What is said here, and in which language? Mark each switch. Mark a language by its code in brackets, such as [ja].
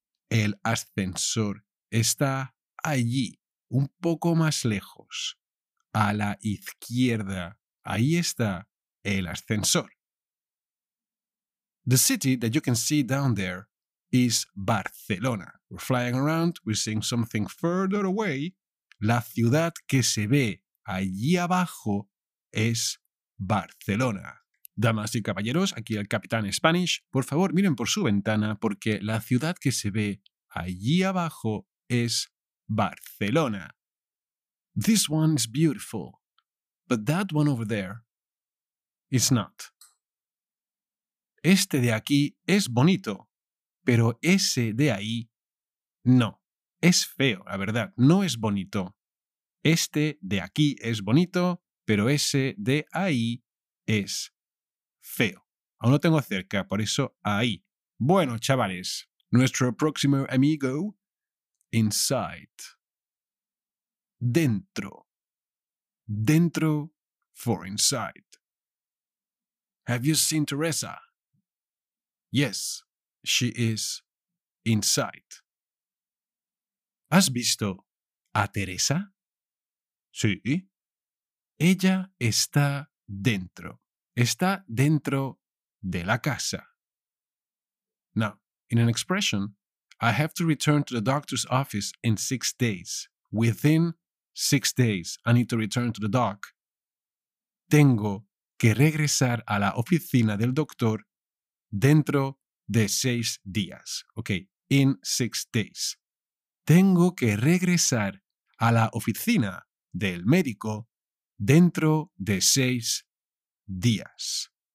[es] El ascensor está allí, un poco más lejos, a la izquierda. Ahí está el ascensor. [en] The city that you can see down there is Barcelona. We're flying around, we're seeing something further away. [es] La ciudad que se ve allí abajo es Barcelona. Damas y caballeros, aquí el Capitán Spanish. Por favor, miren por su ventana porque la ciudad que se ve allí abajo es Barcelona. [en] This one is beautiful, but that one over there is not. [es] Este de aquí es bonito, pero ese de ahí no. Es feo, la verdad. No es bonito. Este de aquí es bonito, pero ese de ahí es feo. Aún lo tengo cerca, por eso ahí. Bueno, chavales, nuestro próximo amigo, inside. Dentro. [en] Dentro for inside. Have you seen Teresa? Yes, she is inside. [es] ¿Has visto a Teresa? Sí. Ella está dentro. Está dentro de la casa. [en] Now, in an expression, I have to return to the doctor's office in 6 days. Within 6 days, I need to return to the doc. [es] Tengo que regresar a la oficina del doctor dentro de 6 días. [en] Okay, in 6 days. [es] Tengo que regresar a la oficina del médico dentro de 6 días.